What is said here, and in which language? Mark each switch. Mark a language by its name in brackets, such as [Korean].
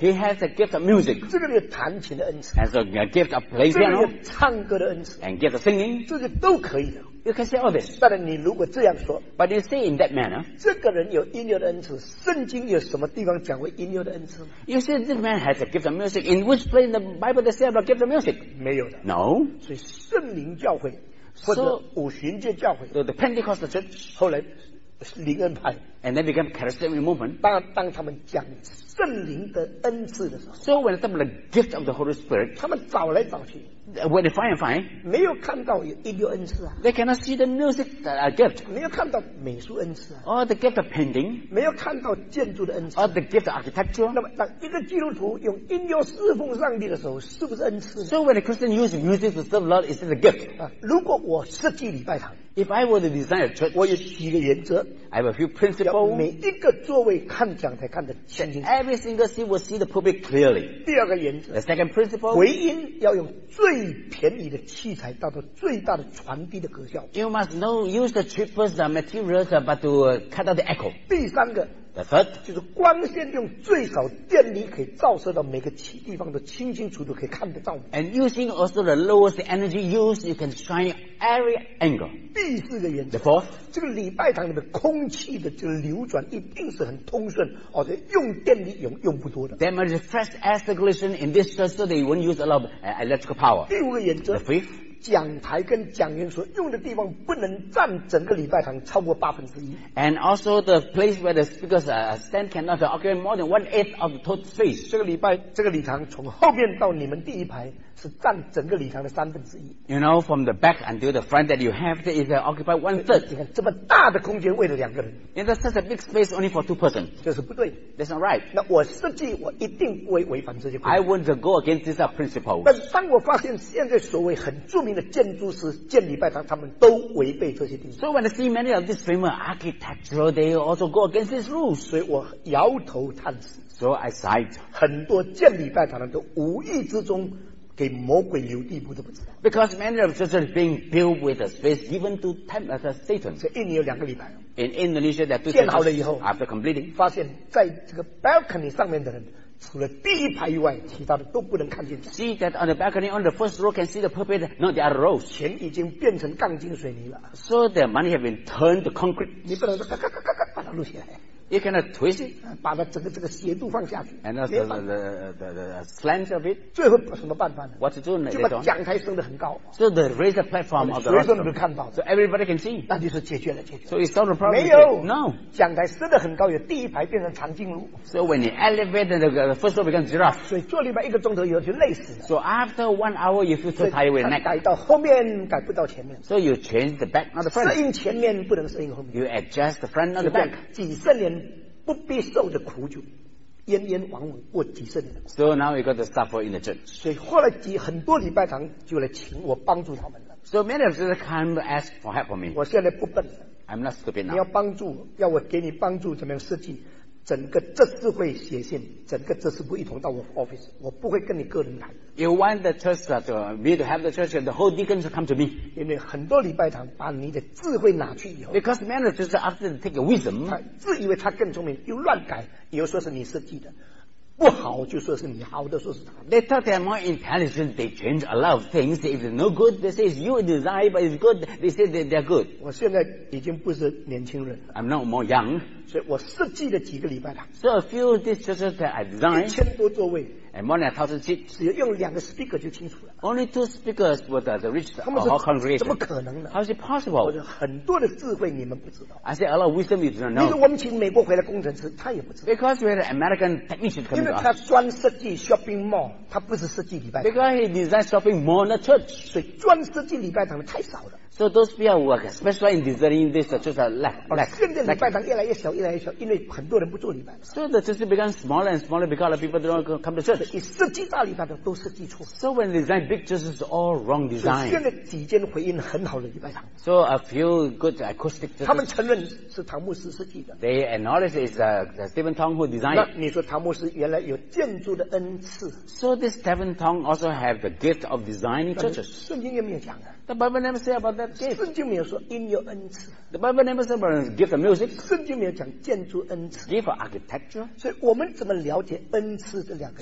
[English] He has a gift of music. [Chinese] 这个人有弹琴的恩赐。 [English] Has a gift of playing piano. [Chinese] 这个人有唱歌的恩赐。 [English] And gift of singing. [Chinese] 这些都可以的。 [English] You can say all this. [Chinese] 但是你如果这样说， [English] but you say in that manner, [Chinese] 这个人有音乐的恩赐，圣经有什么地方讲过音乐的恩赐？ [English] You say this man has a gift of music. In which place in the Bible does he have a gift of music? [Chinese] 没有的。 [English] No. [Chinese] 所以圣灵教会或者五旬节教会， [English] so, the Pentecostal church, [Chinese] 后来灵恩派， [English] and then became charismatic movement. [Chinese] 当他们讲圣灵的恩赐的时候， [English] so when they have the gift of the Holy Spirit, [Chinese] 他们找来找去。 [English] When they find and find, [Chinese] 没有看到有音乐恩赐啊。 [English] They cannot see the music that I gift. [Chinese] 没有看到美术恩赐啊。 [English] Or the gift of painting. [Chinese] 没有看到建筑的恩赐。 [English] Or the gift of architecture. [Chinese] 那么当一个基督徒用音乐侍奉上帝的时候，是不是恩赐？ [English] So when a Christian uses music to serve Lord, is it a gift? [Chinese] 如果我设计礼拜堂， [English] if I were to design a church, [Chinese] 我有几个原则。 [English] I have a few principles. [Chinese] 每一个座位看讲台看得清清。 [English] Every single seat will see the pulpit clearly. [Chinese] 第二个原则。 [English] The second principle. [Chinese] 回音要用最便宜的器材达到最大的传递的格效。 [English] You must know use the cheapest materials but to cut out the echo. [Chinese] 第三个。 [English] The third. [Chinese] 就是光线用最少电力可以照射到每个地方都清清楚楚可以看得到。 [English] And using also the lowest energy use, you can shine every angle. [Chinese] 第四个原则。 [English] The fourth. [Chinese] 这个礼拜堂里面空气的这个流转一定是很通顺，而且用电力用不多的。 [English] There must be fresh air circulation in this church so they won't use a lot of electrical power. [Chinese] 第五个原则。 [English] The fifth. [Chinese] 讲台跟讲员所用的地方不能占整个礼拜堂超过八分之一。 [English] And also the place where the speakers stand cannot occupy more than one eighth of the total space. [Chinese] 这个礼堂从后面到你们第一排是占整个礼堂的三分之一。 [English] You know, from the back until the front that you have, that is occupied one third. [Chinese] 你看这么大的空间为了两个人。 [English] And that's such a big space only for two persons. [Chinese] 这是不对。 [English] That's not right. [Chinese] 那我设计我一定不会违反这些规定。 [English] I want to go against these principles. [Chinese] 但当我发现现在所谓很著名的建筑师建礼拜堂，他们都违背这些定义。 [English] So when I see many of these famous architects, they also go against these rules. [Chinese] 所以我摇头叹息。 [English] So I sighed. [Chinese] 很多建礼拜堂的都无意之中。给魔鬼留地步都不知道。 [English] Because many of churches are being built with a space given to tempt Satan. [Chinese] 所以一年有两个礼拜。 [English] In Indonesia, that two churches. [Chinese] 建好了以后 [English] ，after completing， [Chinese] 发现在这个 balcony 上面的人，除了第一排以外，其他的都不能看见。 [English] See that on the balcony on the first row can see the pulpit, not the other rows. [Chinese] 钱已经变成钢筋水泥了。 [English] So the money have been turned to concrete. [Chinese] 你不能说咔咔咔咔咔把它录下来。 [English] You cannot twist it. [Chinese] 把它整个这个斜度放下去。 [English] And the slant of it. [Chinese] 最后什么办法呢 [English] ？What to do in that? [Chinese] 就把讲台升得很高。 [English] So the raise the platform of the restaurant. [Chinese] 所有人都看到。 [English] So everybody can see. [Chinese] 那就是解决了，解决。 [English] So it's not a problem. [Chinese] 没有。 [English] No. [Chinese] 讲台升得很高，有第一排变成长颈鹿。 [English] So when you elevate the first row becomes giraffe. [Chinese] 所以坐里面一个钟头以后就累死了。 [English] So after 1 hour, you feel so tired with neck. [Chinese] 改到后面，改不到前面。 [English] So you change the back, not the front. [Chinese] 适应前面，不能适应后面。 [English] You adjust the front, not the back. [Chinese] 几十年。不必受的苦就奄奄枉枉过几十年。 [English] So now we got to suffer in the church. [Chinese] 所以后来几很多礼拜堂就来请我帮助他们了。 [English] So many of them come ask for help for me. [Chinese] 我现在不笨。 [English] I'm not stupid now. [Chinese] 你要帮助，要我给你帮助，怎么样设计？整个执事会写信，整个执事部一同到我 office， 我不会跟你个人谈。 [English] You want the church to me to have the church and the whole deacons to come to me？ [Chinese] 因为很多礼拜堂把你的智慧拿去以后 [English] ，because many just after take your wisdom， [Chinese] 他自以为他更聪明，又乱改，又说是你设计的，不好就说是你，好的说是他。 [English] They thought they are more intelligent. They change a lot of things. If it's no good, they say it's your design, but it's good. They say that they're good. [Chinese] 我现在已经不是年轻人。 [English] I'm not more young. [Chinese] 所以我设计了几个礼拜了。 [English] So a few of these churches that I designed. [Chinese] 1000多座位。 [English] And more than 1000 seats. [Chinese] 只用两个 speaker 就清楚了。 [English] Only two speakers would reach the whole congregation. [Chinese] 怎么可能呢？ [English] How is it possible? [Chinese] 我说很多的智慧你们不知道。 [English] I say a lot of wisdom you do not know. [Chinese] 因为我们请美国回来工程师，他也不知道。 [English] Because we had an American technician come. [Chinese] 因为他专设计 shopping mall， 他不是设计礼拜堂。 [English] Because he designed shopping mall in the church. [Chinese] 所以专设计礼拜堂的太少了。 [English] So those people work especially in designing this church are lack. [Chinese] 现在礼拜堂越来越小，越来越小，因为很多人不做礼拜。 [English] So the church becomes smaller and smaller because people don't come to church. [Chinese] 你设计大礼拜堂都设计错。 [English] So when design big churches all wrong design. [Chinese] 现在几间回应很好的礼拜堂。 [English] So a few good acoustic churches. [Chinese] 他们承认是唐牧师设计的。 [English] They acknowledge it's Stephen Tong who designed. [Chinese] 那你说唐牧师原来有建筑的恩赐。 [English] So this Stephen Tong also have the gift of designing churches. [Chinese] 圣经也没有讲的。 [English] The Bible never say about that gift. [Chinese] 圣经没有说因有恩赐。 [English] The Bible never say about the gift of music. [Chinese] 圣经没有讲建筑恩赐。 [English] Gift of architecture. [Chinese] 所以我们怎么了解恩赐这两个